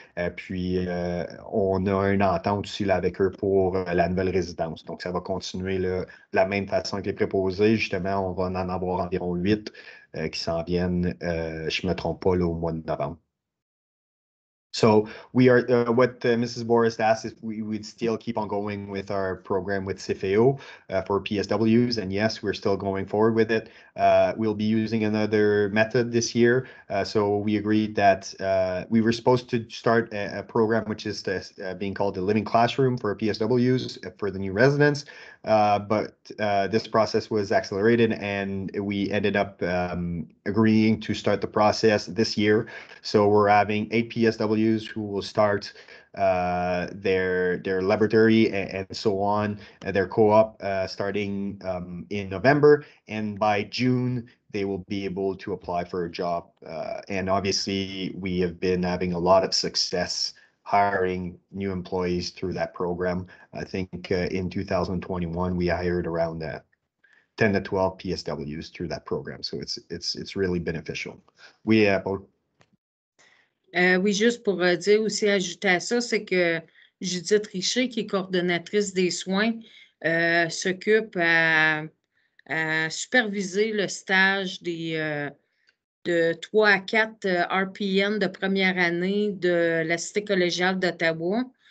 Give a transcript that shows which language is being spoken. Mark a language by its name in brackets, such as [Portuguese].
[French] On a une entente aussi là, avec eux pour la nouvelle résidence. Donc ça va continuer là, de la même façon que les préposés. Justement, on va en avoir environ 8 qui s'en viennent, je ne me trompe pas, là, au mois de novembre. [English] So we are what Mrs. Boris asked is we would still keep on going with our program with CIFEO for PSWs, and yes, we're still going forward with it. We'll be using another method this year. So we agreed that we were supposed to start a program which is being called the Living Classroom for PSWs for the new residents, but this process was accelerated, and we ended up agreeing to start the process this year. So we're having 8 PSWs who will start their laboratory and so on, their co-op starting in November, and by June they will be able to apply for a job. And obviously we have been having a lot of success hiring new employees through that program. I think in 2021 we hired around 10 to 12 PSWs through that program, so it's really beneficial. We have [French] Oui, juste pour dire aussi, ajouter à ça, c'est que Judith Richer, qui est coordonnatrice des soins, s'occupe à superviser le stage de 3 à 4 RPN de première année de la Cité collégiale d'Ottawa.